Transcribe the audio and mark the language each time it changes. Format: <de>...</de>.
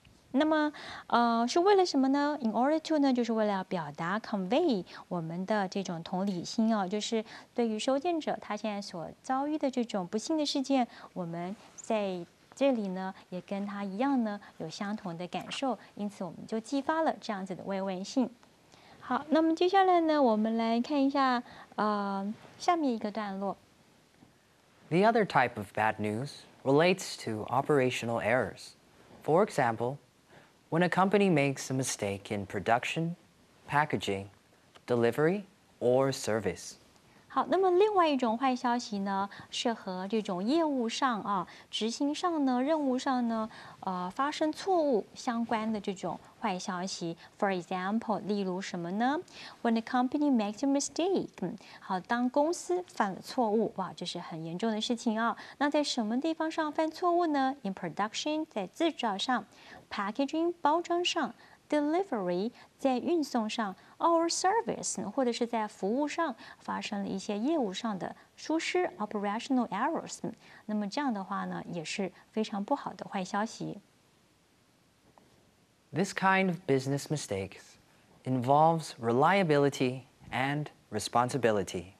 <zh>那么，是为了什么呢 ？ In order to 呢，就是为了表达 convey 我们的这种同理心啊，就是对于收件者他现在所遭遇的这种不幸的事件，我们在这里呢也跟他一样呢有相同的感受，因此我们就激发了这样子的慰问信。好，那么接下来呢，我们来看一下下面一个段落。</zh> <en>The other type of bad news relates to operational errors. For example. When a company makes a mistake in production, packaging, delivery, or service.</en> <zh>好，那么另外一种坏消息呢，是和这种业务上啊、执行上呢、任务上呢，发生错误相关的这种坏消息。 For example, 例如什么呢 ？ When a company makes a mistake, 好，当公司犯了错误，哇，这是很严重的事情啊。那在什么地方上犯错误呢 ？ In production, 在制造上。 Packaging 包装上 ， delivery 在运送上 ， or service 或者是在服务上发生了一些业务上的疏失 ， operational errors。那么这样的话呢，也是非常不好的坏消息。</zh> <en>This kind of business mistakes involves reliability and responsibility.</en>